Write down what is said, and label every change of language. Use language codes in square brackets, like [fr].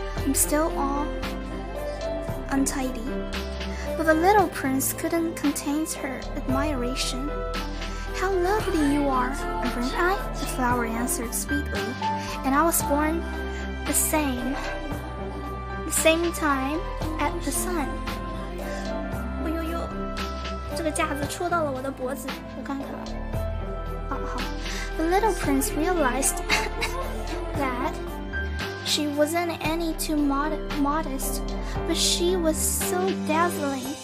[en] I'm still all untidy. But the little prince couldn't contain her admiration. How lovely you are, weren't I? The flower answered sweetly. And I was born the same time at the sun. [zh] 哎呦呦，这个架子戳到了我的脖子，我看看啊。 [en] The little prince realized that she wasn't any too modest, but she was so dazzling.